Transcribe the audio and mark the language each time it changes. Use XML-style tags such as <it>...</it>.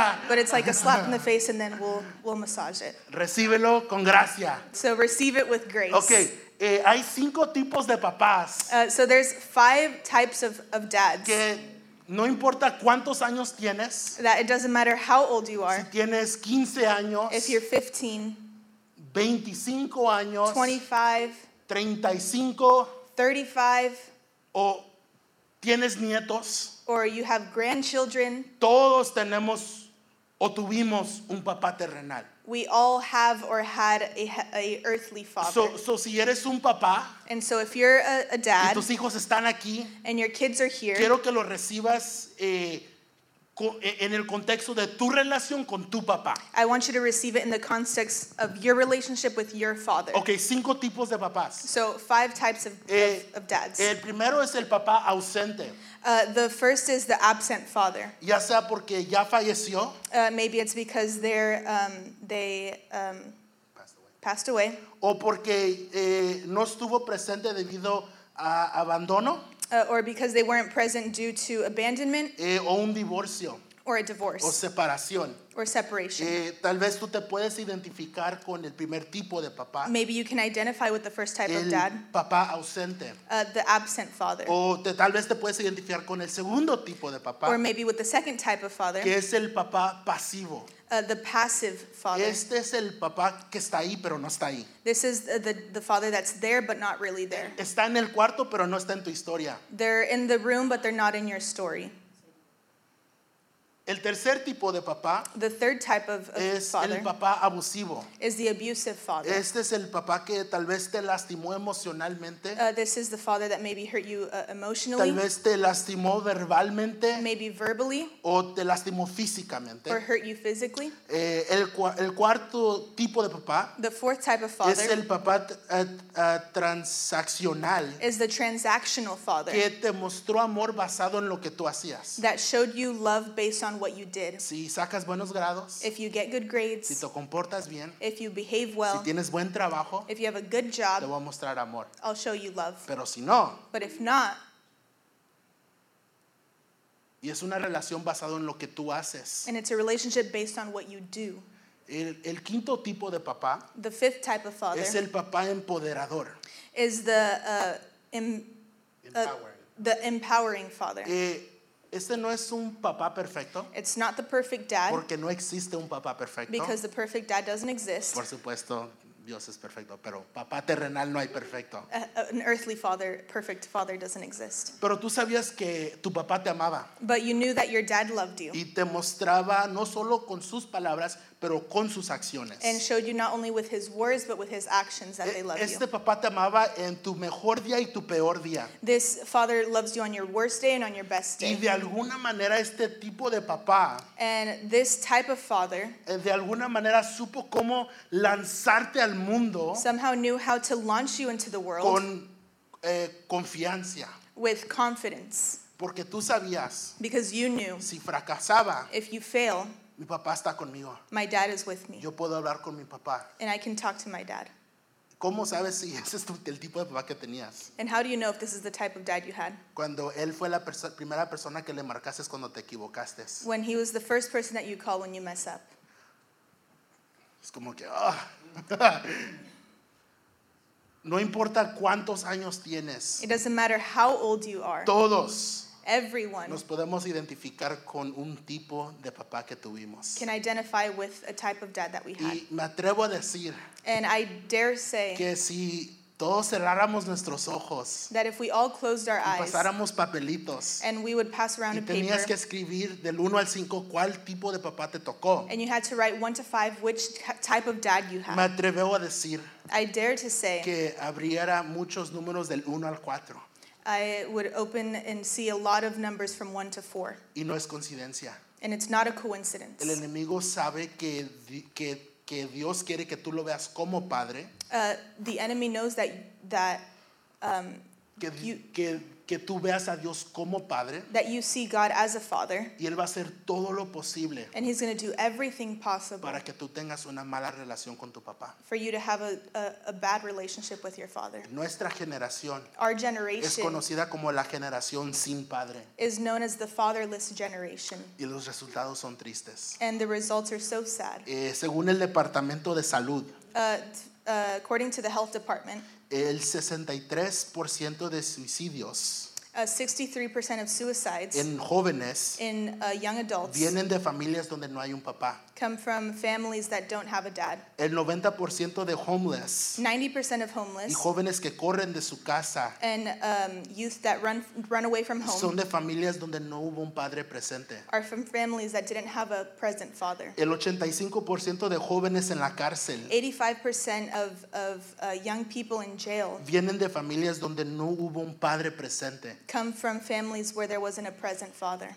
<en>But it's like a slap in the face and then we'll massage it.</en> <es>Recíbelo con gracia.</es> <en>So receive it with grace.</en> <es>Okay. Hay cinco tipos de papás.</es> <en>So there's five types of dads.</en> <es>Que no importa cuántos años tienes.</es> <en>That it doesn't matter how old you are.</en> <es>Si tienes 15 años.</es> <en>If you're 15.</en> <es>25 años.</es> <en>25.</en> <es>35.</es> <en>35.</en> <es>O tienes nietos.</es> <en>Or you have grandchildren.</en> <es>Todos tenemos o tuvimos un papá terrenal.</es> <en>We all have or had a earthly father.</en> <es>So si eres un papá,</es> <en>and so if you're a dad,</en> <es>y tus hijos están aquí,</es> <en>and your kids are here,</en> <es>quiero que lo recibas en el contexto de tu relación con tu papá.</es> <en>I want you to receive it in the context of your relationship with your father.</en> <es>Okay, cinco tipos de papás.</es> <en>So five types of dads.</en> <es>El primero es el papá ausente.</es> <en>The first is the absent father.</en> <es>Ya sea porque ya falleció.</es> <en>Maybe it's because they passed away.</en> <es>O porque no estuvo presente debido a abandono.</es> <en>Or because they weren't present due to abandonment.</en> <es>O un divorcio.</es> <en>or a divorce.</en> <es>O separación.</es> <en>Or separation.</en> <es>Tal vez tú te puedes identificar con el primer tipo de papá.</es> <en>Maybe you can identify with the first type</en> <es>el</es> <en>of dad.</en> <es>Papá ausente.</es> <en>The absent father.</en> <es>O tal vez te puedes identificar con el segundo tipo de papá.</es> <en>Or maybe with the second type of father.</en> <es>Que es el papá pasivo.</es> <en>The passive father.</en> <es>Este es el papá que está ahí, pero no está ahí.</es> <en>This is the father that's there, but not really there.</en> <es>Está en el cuarto, pero no está en tu historia.</es> <en>They're in the room, but they're not in your story.</en> <es>El tercer tipo de papá.</es> <en>The third type of father.</en> <es>Es el papá abusivo.</es> <en>Is the abusive father.</en> <es>Este es el papá que tal vez te lastimó emocionalmente.</es> <en>This is the father that maybe hurt you emotionally.</en> <es>Tal vez te lastimó verbalmente.</es> <en>Maybe verbally.</en> <es>O te lastimó físicamente.</es> <en>Or hurt you physically.</en> <es>El cuarto tipo de papá.</es> <en>The fourth type of father.</en> <es>Es el papá transaccional.</es> <en>Is the transactional father.</en> <es>Que te mostró amor basado en lo que tú hacías.</es> <en>That showed you love based on what you did.</en> <es>Si sacas buenos grados,</es> <en>if you get good grades,</en> <es>si te comportas bien,</es> <en>if you behave well,</en> <es>si tienes buen trabajo,</es> <en>if you have a good job,</en> <es>te voy a mostrar amor.</es> <en>I'll show you love.</en> <es>Pero si no,</es> <en>but if not,</en> <es>y es una relación basado en lo que tú haces,</es> <en>and it's a relationship based on what you do.</en> <es>El quinto tipo de papá,</es> <en>the fifth type of father,</en> <es>es el papá empoderador,</es> <en>is the empowering father.</en> <es>Este no es un papá perfecto.</es> <en>It's not the perfect dad.</en> <es>Porque no existe un papá perfecto.</es> <en>Because the perfect dad doesn't exist.</en> <es>Por supuesto, Dios es perfecto, pero papá terrenal no hay perfecto.</es> <en>An earthly father, perfect father doesn't exist.</en> <es>Pero tú sabías que tu papá te amaba.</es> <en>But you knew that your dad loved you.</en> <es>Y te mostraba no solo con sus palabras, pero con sus acciones.</es> <en>And showed you not only with his words, but with his actions that they love</en> <es>este</es> <en>you.</en> <es>Este papá te amaba en tu mejor día y tu peor día.</es> <en>This father loves you on your worst day and on your best day.</en> <es>Y de alguna manera este tipo de papá.</es> <en>And this type of father.</en> <es>De alguna manera supo cómo lanzarte al mundo.</es> <en>Somehow knew how to launch you into the world.</en> <es>Con confianza.</es> <en>With confidence.</en> <es>Porque tú sabías.</es> <en>Because you knew.</en> <es>Si fracasaba.</es> <en>If you fail.</en> <es>Mi papá está conmigo.</es> <en>My dad is with me.</en> <es>Yo puedo hablar con mi papá.</es> <en>And I can talk to my dad.</en> <es>¿Cómo sabes si ese es el tipo de papá que tenías?</es> <en>And how do you know if this is the type of dad you had?</en> <es>Cuando él fue la primera persona que le marcaste cuando te equivocaste.</es> <en>When he was the first person that you call when you mess up.</en> <es>Es como que, oh. No importa cuántos años tienes.</es> <en>It doesn't matter how old you are.</en> <es>Todos.</es> <en>Everyone.</en> <es>Nos podemos identificar con un tipo de papá que tuvimos.</es> <en>Can identify with a type of dad that we had.</en> <es>Y me atrevo a decir.</es> <en>And I dare say.</en> <es>Que si todos cerráramos nuestros ojos.</es> <en>That if we all closed our eyes.</en> <es>Y pasáramos papelitos.</es> <en>And we would pass around a paper.</en> <es>Y tenías que escribir del 1 al 5 cuál tipo de papá te tocó.</es> <en>And you had to write 1 to 5 which type of dad you had.</en> <es>Me atrevo a decir.</es> <en>I dare to say.</en> <es>Que abriera muchos números del 1 al 4.</es> <en>I would open and see a lot of numbers from 1 to 4.</en> <es>Y no es coincidencia.</es> <en>And it's not a coincidence.</en> <es>El enemigo sabe que Dios quiere que tú lo veas como padre.</es> <en>The enemy knows that</en> <es>que tú veas a Dios como padre.</es> <en>That you see God as a father.</en> <es>Y él va a hacer todo lo posible.</es> <en>And he's going to do everything possible.</en> <es>Para que tú tengas una mala relación con tu papá.</es> <en>For you to have a bad relationship with your father.</en> <es>Nuestra generación.</es> <en>Our generation.</en> <es>Es conocida como la generación sin padre.</es> <en>Is known as the fatherless generation.</en> <es>Y los resultados son tristes.</es> <en>And the results are so sad.</en> <es>Según el Departamento de Salud.</es> <en>According to the health department.</en> <es>El 63% de suicidios</es> <en>63% of suicides</en> <es>en jóvenes</es> <en>in young adults</en> <es>vienen de familias donde no hay un papá.</es> <en>Come from families that don't have a dad.</en> <es>El 90% de homeless</es> <en>90% of homeless</en> <es>y jóvenes que corren de su casa</es> <en>and youth that run away from home</en> <es>son de familias donde no hubo un padre presente.</es> <en>Are from families that didn't have a present father.</en> <es>El 85% de jóvenes en la cárcel</es> <en>85% of young people in jail</en> <es>vienen de familias donde no hubo un padre presente.</es> <en>Come from families where there wasn't a present father.</en>